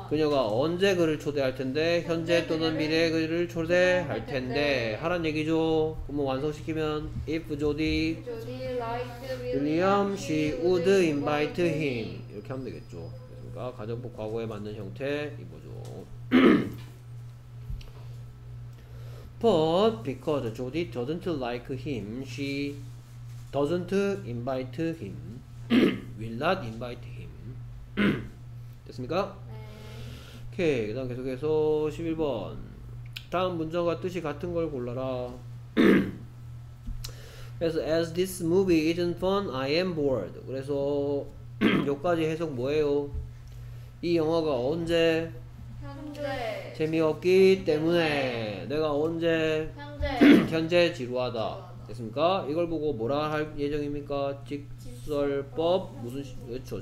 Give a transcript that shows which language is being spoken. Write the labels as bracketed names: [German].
[Korean] 그녀가 언제 그를 초대할 텐데? 현재 또는 미래 그를 초대할 텐데 하란 얘기죠. 그럼 완성시키면 [English] if Jody liked William, she would invite him. [Korean] 이렇게 하면 되겠죠. 가정법 과거에 맞는 형태 이거죠. [English] But because Jody doesn't like him, she doesn't invite him. Will not invite him. [Korean] 됐습니까? 네. 오케이. 그다음 계속해서 11번. 다음 문장과 뜻이 같은 걸 골라라. 그래서 [English] as this movie isn't fun, I am bored. [Korean] 그래서 여기까지 해석 뭐예요? 이 영화가 언제? 현재. 재미없기 때문에 내가 언제? 현재. 현재 지루하다. 됐습니까? 이걸 보고 뭐라 할 예정입니까? 직설법 무슨 그렇죠?